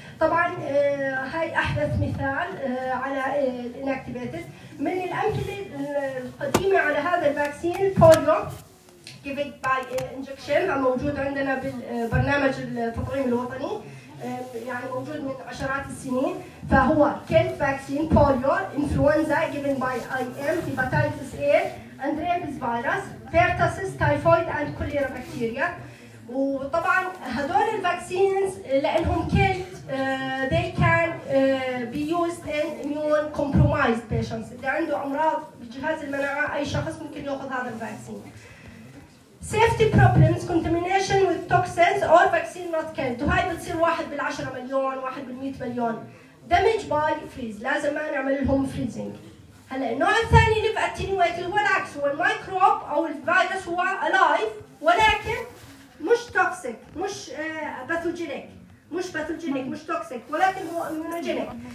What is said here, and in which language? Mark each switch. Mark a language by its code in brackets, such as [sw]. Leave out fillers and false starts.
[ar] طبعا هاي احدث مثال على inactivated. من الامثلة القديمة على هذا الفاكسين بوليو [en] given by injection [ar] موجود عندنا بالبرنامج التطعيم الوطني يعني موجود من عشرات السنين. فهو كيلت فاكسين بوليو انفلونزا [en] given by IM [ar] في هيباتيتس A [en] and rabies virus pertussis typhoid and cholera bacteria. [ar] وطبعا هذول الفاكسينز لانهم كيلت [en] they can be used in immune compromised patients [ar] اللي عنده امراض بجهاز المناعه اي شخص ممكن ياخذ هذا الفاكسين. [en] Safety problems, contamination with toxins or vaccine not killed. [ar] هاي بتصير واحد بالعشرة مليون واحد بالمئة مليون. [en] Damage by freeze. [ar] لازم ما نعمل لهم freezing. هلا النوع الثاني اللي بأتنيويت هو العكس هو الميكروب أو الفيروس هو alive ولكن مش toxic مش pathogenic مش pathogenic مش toxic ولكن هو immunogenic.